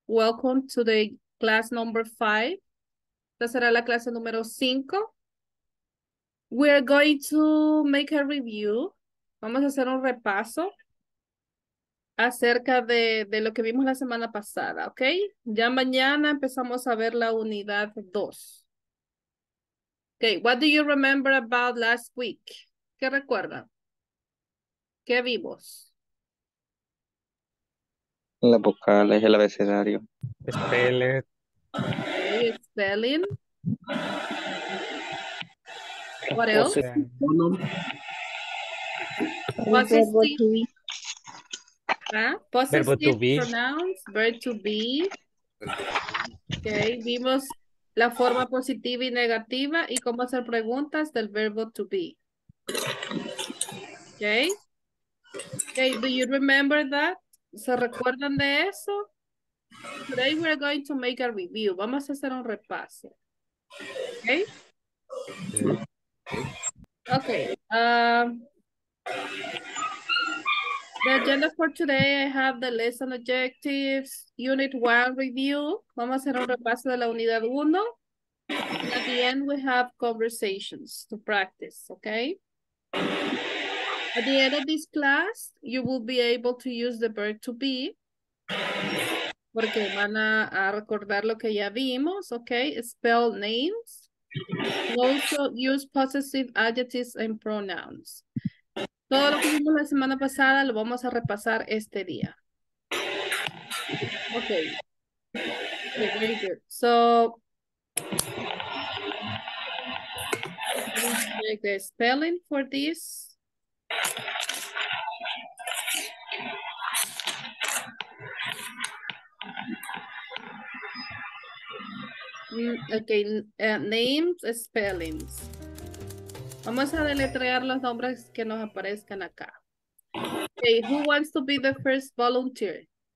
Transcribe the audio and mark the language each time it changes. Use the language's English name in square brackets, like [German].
[English] Welcome to the class number 5. [Spanish] Esta será la clase número 5. [English] We are going to make a review. [Spanish] Vamos a hacer un repaso acerca de lo que vimos la semana pasada, ¿ok? Ya mañana empezamos a ver la unidad 2. [English] Ok, what do you remember about last week? [Spanish] ¿Qué recuerdan? ¿Qué vimos? La vocal es el abecedario. [English] Spelling. Okay, spelling. What else? What is verbo to be. Possessive verbo to be. Pronouns, verb to be. [Spanish] Okay, vimos la forma positiva y negativa y cómo hacer preguntas del verbo to be. [English] Okay. Okay, do you remember that? [Spanish] ¿Se recuerdan de eso? [English] Today we're going to make a review. [Spanish] Vamos a hacer un repaso. [English] Okay. Okay. The agenda for today, I have the lesson objectives, unit one review. [Spanish] Vamos a hacer un repaso de la unidad uno. [English] And at the end, we have conversations to practice, okay? At the end of this class, you will be able to use the verb to be. [Spanish] Porque van a recordar lo que ya vimos, okay? [English] Spell names. Also, use possessive adjectives and pronouns. [Spanish] Todo lo que vimos la semana pasada lo vamos a repasar este día. [English] Okay. Okay, very good. So, make the spelling for this. Okay, names, spellings. [Spanish] Vamos a deletrear los nombres que nos aparezcan acá. [English] Okay, who wants to be the first volunteer?